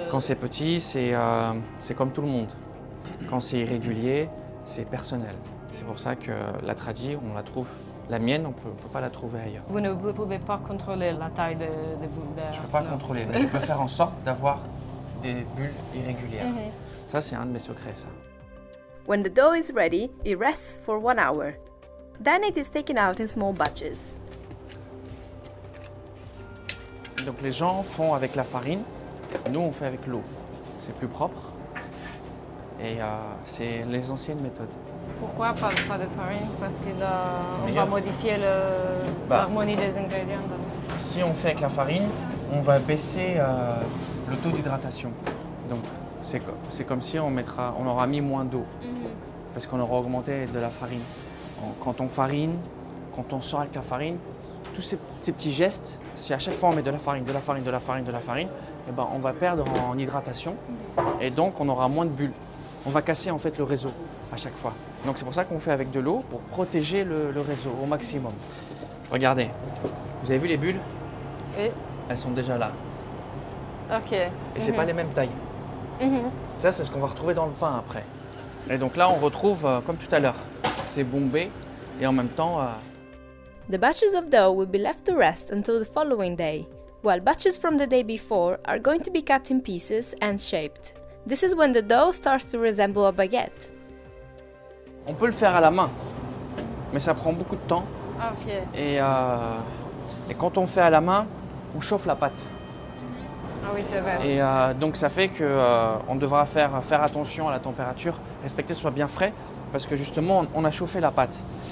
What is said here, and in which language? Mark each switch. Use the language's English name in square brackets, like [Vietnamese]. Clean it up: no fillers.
[French] Quand c'est petit, c'est comme tout le monde. Quand c'est irrégulier, c'est personnel. C'est pour ça que la tradi, on la trouve. La mienne, on ne peut pas la trouver ailleurs. Vous ne pouvez pas contrôler la taille des bulles d'air. Je ne peux pas contrôler, mais je peux faire en sorte d'avoir des bulles irrégulières. Mm-hmm. Ça, c'est un de mes secrets, ça. [English] When the dough is ready, it rests for 1 hour. Then it is taken out in small batches. [French] Donc les gens font avec la farine, nous on fait avec l'eau. C'est plus propre et c'est les anciennes méthodes. Pourquoi pas de farine? Parce qu'on va modifier l'harmonie des ingrédients. Si on fait avec la farine, on va baisser le taux d'hydratation. Donc c'est comme si on aura mis moins d'eau mm-hmm. parce qu'on aura augmenté de la farine. Quand on farine, quand on sort avec la farine, tous ces petits gestes, si à chaque fois on met de la farine, de la farine, de la farine, de la farine, eh ben on va perdre en hydratation et donc on aura moins de bulles. On va casser en fait le réseau à chaque fois. Donc c'est pour ça qu'on fait avec de l'eau pour protéger le réseau au maximum. Regardez, vous avez vu les bulles? Oui. Elles sont déjà là. [English] Ok. [French] Et c'est mm-hmm. pas les mêmes tailles. Mm-hmm. Ça, c'est ce qu'on va retrouver dans le pain après. Et donc là, on retrouve comme tout à l'heure. C'est bombé et en même temps. [English] The batches of dough will be left to rest until the following day, while batches from the day before are going to be cut in pieces and shaped. This is when the dough starts to resemble a baguette. [French] On peut le faire à la main, mais ça prend beaucoup de temps. [English] Okay. [French] Et quand on fait à la main, on chauffe la pâte. Ah oui, c'est vrai. Et donc ça fait qu'on devra faire attention à la température, respecter que ce soit bien frais, parce que justement, on a chauffé la pâte.